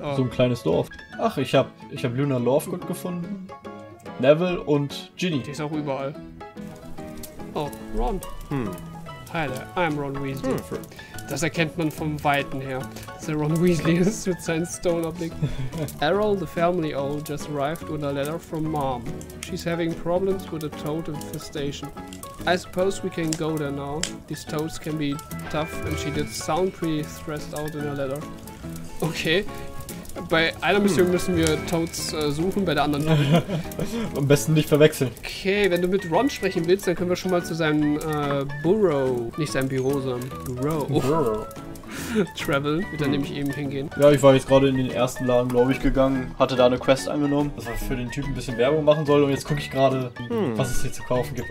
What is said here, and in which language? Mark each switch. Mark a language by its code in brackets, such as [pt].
[de] Oh. So ein kleines Dorf. Ach, ich hab Luna Lovegood gefunden. Neville und Ginny. Die ist auch überall. Oh, Ron. [en] Hi there, I'm Ron Weasley. [de] Das erkennt man vom Weiten her. So Ron Weasley ist mit seinem Stone-Optik. [en] Errol, the family owl, just arrived with a letter from Mom. She's having problems with a toad infestation. I suppose we can go there now. These toads can be tough and she did sound pretty stressed out in her letter. Okay. [de] Bei einer Mission müssen wir Toads suchen, bei der anderen nicht. Am besten nicht verwechseln. Okay, wenn du mit Ron sprechen willst, dann können wir schon mal zu seinem Bureau. Nicht seinem Büro, sondern Bureau. Travel, wird dann nämlich eben hingehen. Ja, ich war jetzt gerade in den ersten Laden, glaube ich, gegangen. Hatte da eine Quest angenommen, dass er für den Typen ein bisschen Werbung machen soll. Und jetzt gucke ich gerade, was es hier zu kaufen gibt.